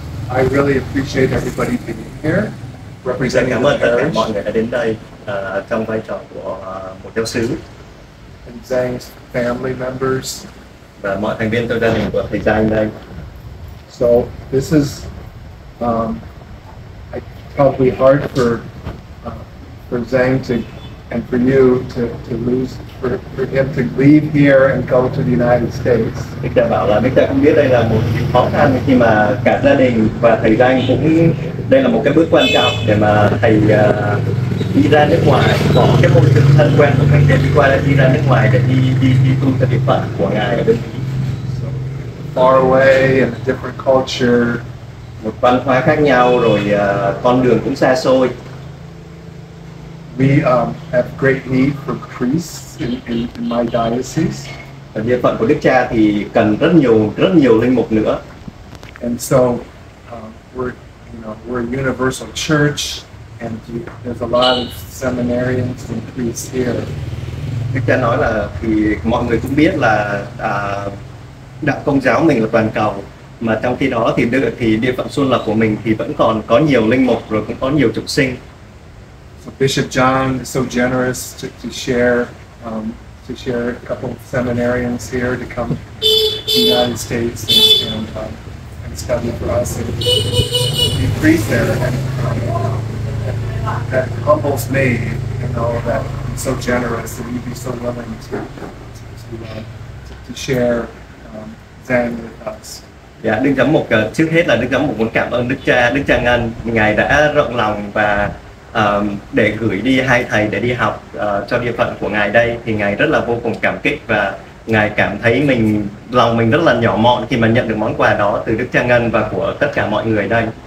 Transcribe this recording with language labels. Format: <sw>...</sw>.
<en>I really appreciate everybody being here, representing the church.</en> <vi>Cảm ơn mọi người đã đến đây trong vai trò của một giáo sứ.</vi> <en>And thanks family members.</en> <vi>Và mọi thành viên trong gia đình của thầy Giang đây.</vi> <en>So this is probably hard for Zhang to, and for you to lose, for him to leave here and go to the United States.</en> <vi>Đức cha bảo là đức cha cũng biết đây là một khó khăn khi mà cả gia đình và thầy Giang cũng, đây là một cái bước quan trọng để mà thầy đi ra nước ngoài, bỏ cái môi trường thân quen của mình để đi qua, đi ra nước ngoài để đi tu theo điều phận của ngài ở bên Mỹ.</vi> <en>So, far away and a different culture.</en> <vi>Một văn hóa khác nhau rồi con đường cũng xa xôi.</vi> <en>We have great need for priests in my diocese.</en> <vi>Và địa phận của đức cha thì cần rất nhiều linh mục nữa.</vi> <en>And so we're a universal church, and there's a lot of seminarians and priests here.</en> <vi>Đức cha nói là thì mọi người cũng biết là đạo Công giáo mình là toàn cầu, mà trong khi đó thì địa phận Xuân Lộc của mình thì vẫn còn có nhiều linh mục rồi cũng có nhiều chúng sinh.</vi> <en>Bishop John is so generous to share a couple of seminarians here to come to the United States and study for us and be priest there, and that humbles me, you know, that I'm so generous and you'd be so willing to share Zhang with us.</en> <vi>Dạ, Đức Giám Mục, trước hết là Đức Giám Mục muốn cảm ơn Đức Cha Ngân, ngài đã rộng lòng và để gửi đi hai thầy để đi học cho địa phận của ngài đây, thì ngài rất là vô cùng cảm kích và Ngài cảm thấy mình, lòng mình rất là nhỏ mọn khi mà nhận được món quà đó từ Đức Cha Ngân và của tất cả mọi người đây.</vi>